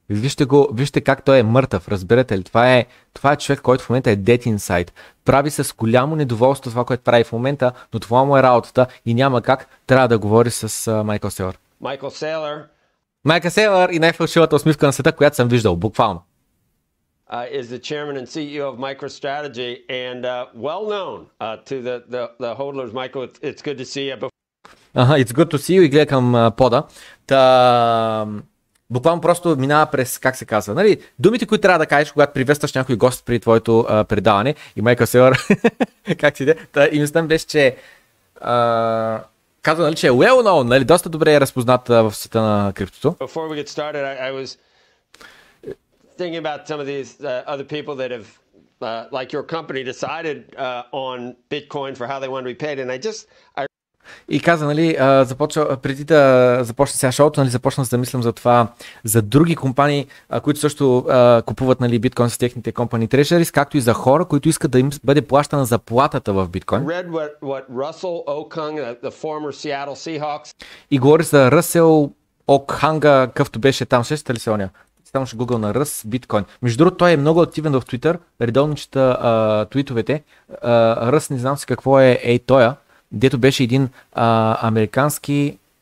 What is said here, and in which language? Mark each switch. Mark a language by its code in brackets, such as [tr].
[bg] Вижте го, вижте как той е мъртъв, разбирате ли? Това е човек, който в момента е [en] dead inside. [bg] Прави се с голямо недоволство това, което прави в момента, но това му е работата и няма как, трябва да говори с Майкъл Селър. Майкъл Селър и най-фалшивата усмивка на света, която съм виждал, буквално. [en] Is the chairman and CEO of MicroStrategy and well known to the hodlers. Michael, it's good to see you. It's good to see you. [bg] И гледа към пода. Та, буквално просто минава през, как се казва, нали, думите, които трябва да кажеш, когато приветстваш някой гост при твоето предаване. И Майкъл Селър, как си иде? Та, и мислям беше, че казва, нали, че е [en] well known, [bg] нали, доста добре е разпознат в света на криптото. [en] Before we get started, I was thinking about some of these other people that have like your company decided on Bitcoin for how they want to be paid, and I [bg] и каза, нали, започва преди да започне сега шоуто, нали, започна да мислям за това, за други компании, които също купуват, нали, биткоин с техните [en] company treasuries, [bg] както и за хора, които искат да им бъде плащана заплатата в биткоин. [en] Read what Russell Okung, the former Seattle Seahawks. [bg] И говори за Russell Okung, какъвто беше там, сещате ли се оня? Там ще гугъл на Ръс биткоин. Между другото, той е много активен в Twitter, редовно чета твитовете. Ръс, не знам си какво е, ей тоя, дето беше един американски...